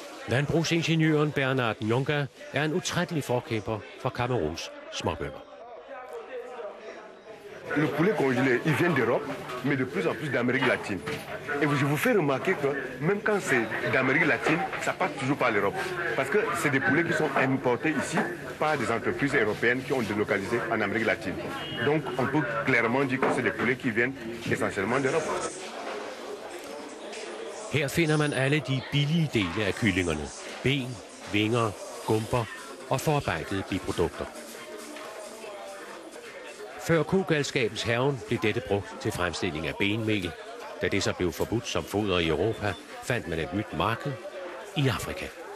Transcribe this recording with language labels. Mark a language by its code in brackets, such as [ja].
[da] Landbrugsingeniøren Bernard Nyonga er en utrættelig forkæmper for Cameruns småbønder. [fr] Le poulet congelé, il vient d'Europe, mais de plus en plus d'Amérique latine. Et je vous fais remarquer que même quand c'est d'Amérique latine, ça passe toujours par l'Europe. Parce que c'est des poulets qui sont importés ici par des entreprises européennes qui ont délocalisé en Amérique latine. Donc on peut clairement dire que c'est des poulets qui viennent essentiellement d'Europe. [da] Her finder man alle de billige dele af kyllingerne. Ben, vinger, gumper og forarbejdede biprodukter. Før kogalskabens haven blev dette brugt til fremstilling af benmel. Da det så blev forbudt som foder i Europa, fandt man et nyt marked i Afrika.